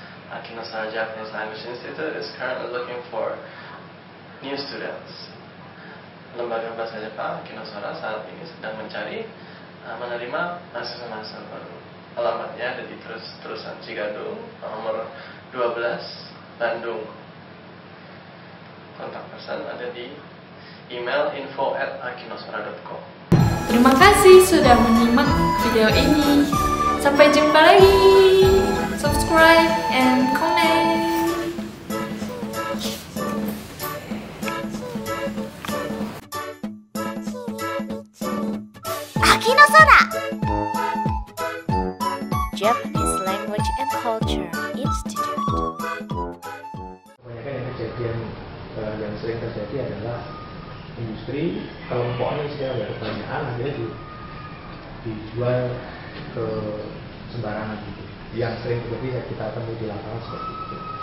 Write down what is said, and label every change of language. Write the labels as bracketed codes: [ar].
[en] Akinosara Japanese Language Institute is currently looking for new students. [id] Lembaga Bahasa Jepang Akinosara saat ini sedang mencari menerima mahasiswa-mahasiswa baru. Alamatnya ada di terusan Cigadung, nomor 12, Bandung. Kontak person ada di email info@akinosara.com. Terima kasih sudah menyimak video ini. Sampai jumpa lagi. [en] Subscribe and comment. [id] Akinosara. [en] Japanese Language and Culture Institute. [id] Kebanyakan yang kejadian yang sering terjadi adalah industri kelompoknya sudah ada pertanyaan, akhirnya dijual ke sembarangan gitu. Yang sering terjadi kita temui di lapangan seperti itu.